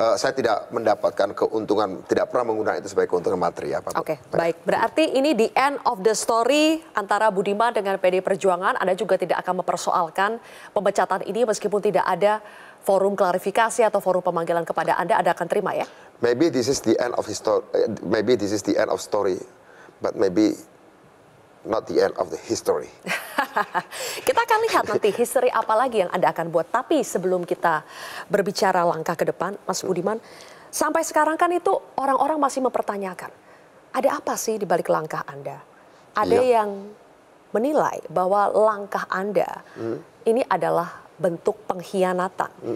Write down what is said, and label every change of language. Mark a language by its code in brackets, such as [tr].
[id] Saya tidak mendapatkan keuntungan, tidak pernah menggunakan itu sebagai keuntungan materi. Oke, okay, baik. Berarti ini [en] the end of the story [id] antara Budiman dengan PDI Perjuangan. Anda juga tidak akan mempersoalkan pemecatan ini meskipun tidak ada forum klarifikasi atau forum pemanggilan kepada Anda. Anda akan terima ya? [en] Maybe this is the end of history, maybe this is the end of story, but maybe not the end of the history. [id] Kita akan lihat nanti history apa lagi yang Anda akan buat. Tapi sebelum kita berbicara langkah ke depan, Mas Budiman, sampai sekarang kan itu orang-orang masih mempertanyakan, ada apa sih di balik langkah Anda? Ada yang menilai bahwa langkah Anda ini adalah bentuk pengkhianatan.